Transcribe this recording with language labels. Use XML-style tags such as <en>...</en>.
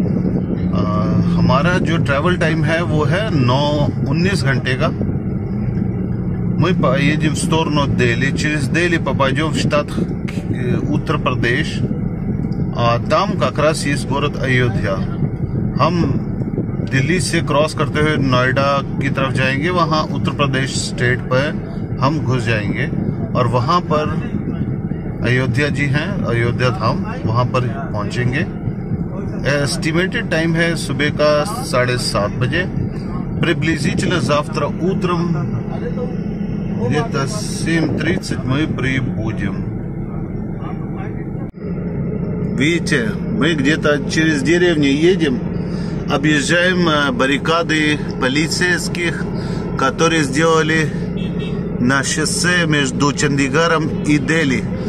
<hi>हमारा जो travel time है वो है 9-19 घंटे का.</hi> <ru>मैं поедем в сторону Дели, через Дели попадем в штат Уттар Прадеш, а там как раз есть город Айодхья.</ru> <hi>हम दिल्ली से क्रॉस करते हुए नोएडा की तरफ जाएंगे, वहां उत्तर प्रदेश स्टेट पर हम घुस जाएंगे और वहां पर अयोध्या जी हैं, अयोध्या धाम वहां पर पहुंचेंगे.</hi> <en>Estimated time</en> <hi>है सुबह का 7:30 बजे.</hi> <ru>Приблизительно завтра утром где-то 7:30 мы прибудем. Видите, мы где-то через деревню едем, объезжаем баррикады полицейских, которые сделали на шоссе между Чандигаром и Дели.</ru>